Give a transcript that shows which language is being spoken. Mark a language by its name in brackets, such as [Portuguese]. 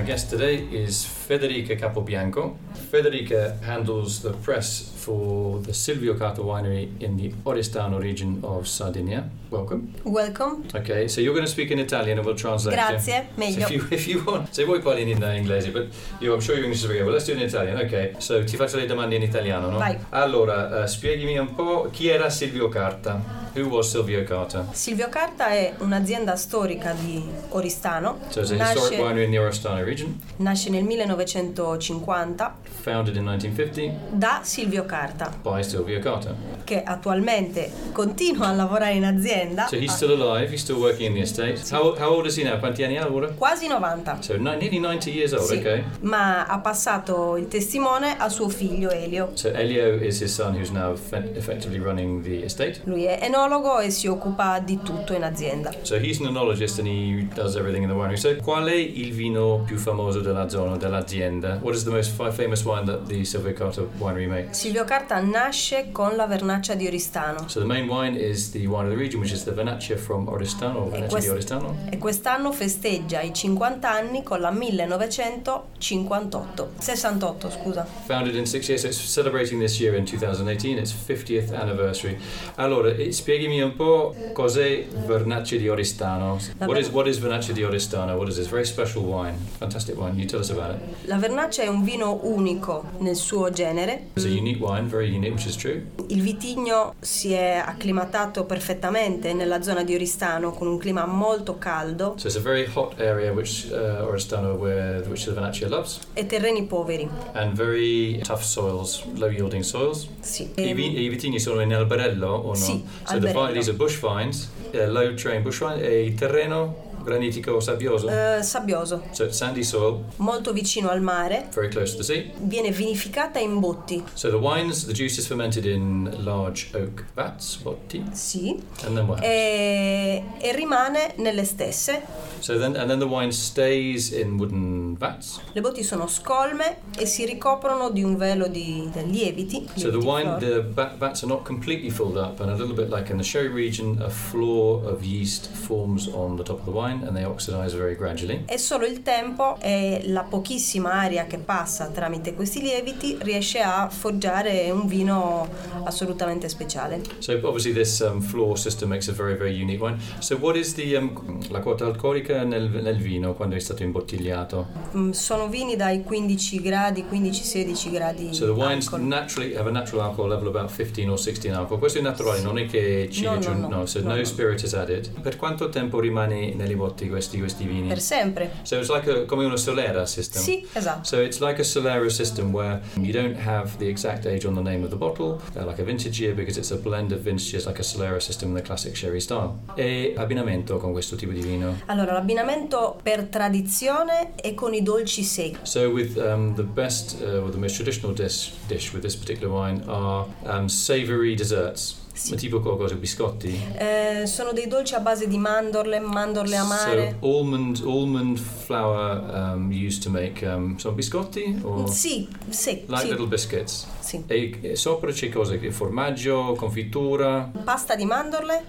[English] My guest today is Federica Capobianco. Federica handles the press for the Silvio Carta winery in the Oristano region of Sardinia. Welcome. Welcome. Okay, so you're going to speak in Italian and we'll translate. [Italian] Grazie, meglio. [English] If you want. [Italian] Se vuoi parli in inglese, [English] but I'm sure your English is okay. Well, let's do it in Italian. [Italian] Okay, so ti faccio le domande in italiano, no? Vai. Allora, spiegami un po' chi era Silvio Carta. [English] Who was Silvio Carta? [Italian] Silvio Carta è un'azienda storica di Oristano. [English] So it's a historic winery in the Oristano region. [Italian] Nasce nel 1950. [English] Founded in 1950. [Italian] Da Silvio Carta. [English] By Silvio Carta. [Italian] Che attualmente continua a lavorare in azienda. [English] So he's still alive, he's still working in the estate. Sì. How old is he now? [Italian] Quanti anni ha ora? Quasi 90. [English] So nearly 90 years old, [Italian] sì. [English] Okay. [Italian] Ma ha passato il testimone a suo figlio Elio. [English] So Elio is his son who's now effectively running the estate. [Italian] Lui è enologo e si occupa di tutto in azienda. [English] So he's an enologist and he does everything in the winery. [Italian] So qual è il vino più famoso della zona, dell'azienda? [English] What is the most famous wine that the Silvio Carta winery makes? [Italian] Silvio Carta nasce con la vernaccia di Oristano. [English] So the main wine is the wine of the region, which is the vernaccia from Oristano, Oristano. [Italian] E quest'anno festeggia i 50 anni con la 1958. 68, scusa. [English] Founded in 68, so it's celebrating this year in 2018, its 50th anniversary. [Italian] Allora, spiegami un po' cos'è vernaccia di Oristano. [English] What is vernaccia di Oristano? What is this? Very special wine. Fantastic wine. You tell us about it. [Italian] La vernaccia è un vino unico nel suo genere. [English] It's a unique wine, very unique, which is true. [Italian] Il vitigno si è acclimatato perfettamente nella zona di Oristano con un clima molto caldo. [English] So it's a very hot area which the vernaccia loves. [Italian] E terreni poveri. [English] And very tough soils, low yielding soils. [Italian] Sì. I vitigni sono in alberello o no? Sì, [English] so [Italian] alberello. [English] The these are bush vines, low terrain bush vines, [Italian] e il terreno granitico sabbioso? Sabbioso. [English] So sandy soil. [Italian] Molto vicino al mare. [English] Very close to the sea. [Italian] Viene vinificata in botti. [English] So the wines, the juice is fermented in large oak vats, botti. [Italian] Sì. [English] And then what? [Italian] E rimane nelle stesse. [English] So then, and then the wine stays in wooden vats. [Italian] Le botti sono scolme e si ricoprono di un velo di lieviti. [English] So the wine, the vats are not completely filled up, and a little bit like in the sherry region, a floor of yeast forms on the top of the wine and they oxidize very gradually. [Italian] E solo il tempo e la pochissima aria che passa tramite questi lieviti riesce a forgiare un vino assolutamente speciale. [English] So obviously this floor system makes a very very unique wine. So what is the [Italian] la quota alcolica nel vino quando è stato imbottigliato? Sono vini dai 15-16 gradi. [English] So the wines naturally have a natural alcohol level about 15 or 16 alcol. [Italian] Questo è naturale, sì. Non è che ci aggiungono. No. [English] So no spirit is added. [Italian] Per quanto tempo rimane nelle botti questi vini? Per sempre. [English] So it's like [Italian] come una [English] solera system. [Italian] Sì, esatto. [English] So it's like a solera system where you don't have the exact age on the name of the bottle, like a vintage year, because it's a blend of vintages, like a solera system in the classic sherry style. [Italian] E abbinamento con questo tipo di vino? Allora, l'abbinamento per tradizione e con i dolci secchi. [English] So with the best, or the most traditional dish with this particular wine are savory desserts. [Italian] Sì. Tipo qualcosa, biscotti? Sono dei dolci a base di mandorle amare. [English] So almond flour used to make some biscotti? Or [Italian] sì, sì. [English] Like [Italian] sì. [English] Little biscuits? [Italian] Sì. E sopra c'è cosa? Formaggio, confitura? Pasta di mandorle?